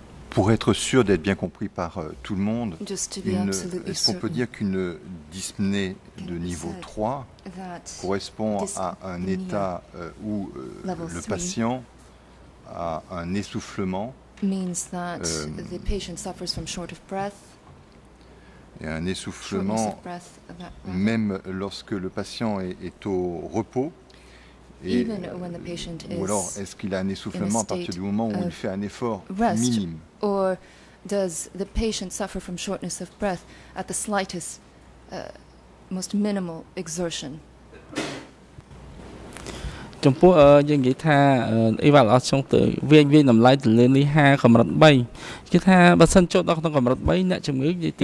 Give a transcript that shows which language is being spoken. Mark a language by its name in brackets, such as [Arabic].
[French] Pour être sûr d'être bien compris par tout le monde, est-ce qu'on peut dire qu'une dyspnée de niveau 3 correspond à un état où le patient a un essoufflement, [English] means that the patient suffers from short of breath, [French] et un essoufflement même lorsque le patient est au repos, ou alors est-ce qu'il a un essoufflement à partir du moment où il fait un effort minime? [English] Or does the patient suffer from shortness of breath at the slightest, most minimal exertion? [Khmer] ចំពោះយើងនិយាយថា evaluation ទៅវាតម្លៃទៅលើនេះ5កម្រិត3គឺថាបើសិនចុះដល់ក្នុងកម្រិត3អ្នកជំងឺនិយាយទ